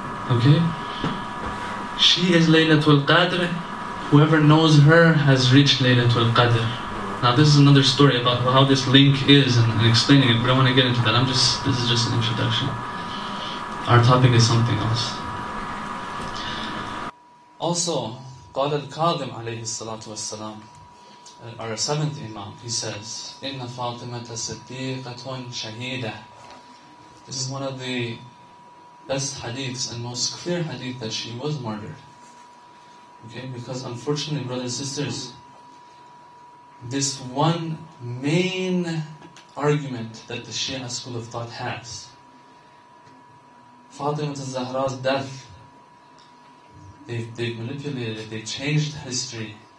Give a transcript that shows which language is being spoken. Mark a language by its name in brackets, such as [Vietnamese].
[English] Okay? She is laylatul qadr. Whoever knows her has reached laylatul qadr. Now this is another story about how this link is and explaining it, but I don't want to get into that. This is just an introduction. Our topic is something else. Also, [Arabic] قال الكاظم عليه الصلاة والسلام, [English] our seventh imam, he says, [Arabic] إِنَّ فَاطِمَةَ صِدِّيقَةٌ شَهِيدَةٌ. [English] This is one of the best hadiths and most clear hadith that she was martyred. Okay, because unfortunately, brothers and sisters, this one main argument that the Shia school of thought has, Fatima al-Zahra's death, they've manipulated it, they changed history.